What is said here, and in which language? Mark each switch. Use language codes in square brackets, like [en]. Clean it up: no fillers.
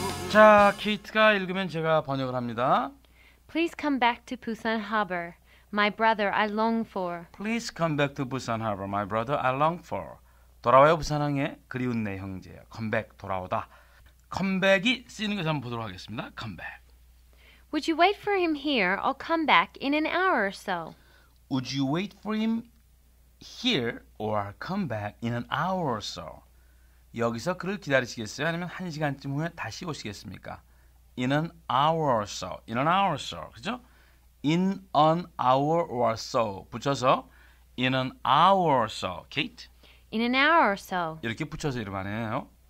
[ko] 자, 케이트가 읽으면 제가 번역을 합니다. [en] Please come back to Busan Harbor, my brother I long for. Please come back to Busan Harbor, my brother I long for. [ko] 돌아와요 부산항에 그리운 내 형제야. Come back, 돌아오다. Come back이 쓰이는 것을 한번 보도록 하겠습니다. Come back. [en] Would you wait for him here or come back in an hour or so? Would you wait for him here or come back in an hour or so? [ko] 여기서 그를 기다리시겠어요? 아니면 한 시간쯤 후에 다시 오시겠습니까? [en] In an hour or so. In an hour or so. 그죠? In an hour or so. 붙여서 In an hour or so. Kate? In an hour or so. [ko] 이렇게 붙여서 이름 안 해요.